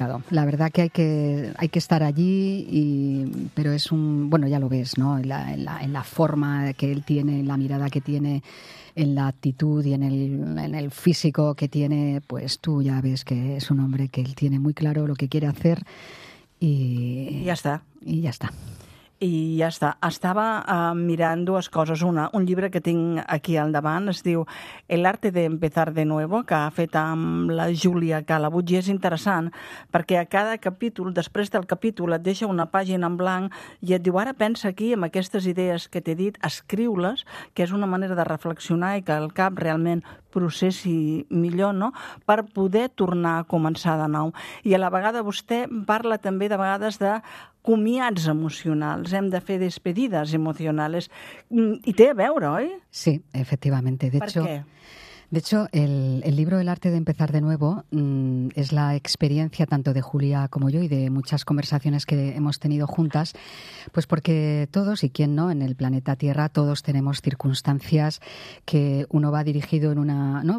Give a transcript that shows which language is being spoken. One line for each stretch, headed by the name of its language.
Spanish: La verdad que hay que estar allí, pero es un, bueno, ya lo ves, ¿no? En la forma que él tiene, en la mirada que tiene, en la actitud y en el físico que tiene, pues tú ya ves que es un hombre que él tiene muy claro lo que quiere hacer y ya está. Y ya está.
Catalan: I ja està. Estava mirant dues coses. Una, un llibre que tinc aquí al davant, es diu El arte de empezar de nuevo, que ha fet amb la Júlia Calabuig, i és interessant perquè a cada capítol, després del capítol, et deixa una pàgina en blanc i et diu, ara pensa aquí amb aquestes idees que t'he dit, escriu-les, que és una manera de reflexionar i que el cap realment processi millor, no?, per poder tornar a començar de nou. I a la vegada vostè parla també de vegades de comiats emocionals, hem de fer despedides emocionals, i té a veure, oi? Sí, efectivament. Per què?
Spanish: De hecho, el libro El arte de empezar de nuevo es la experiencia tanto de Julia como yo y de muchas conversaciones que hemos tenido juntas, pues porque todos, y quién no, en el planeta Tierra, todos tenemos circunstancias que uno va dirigido en una, ¿no?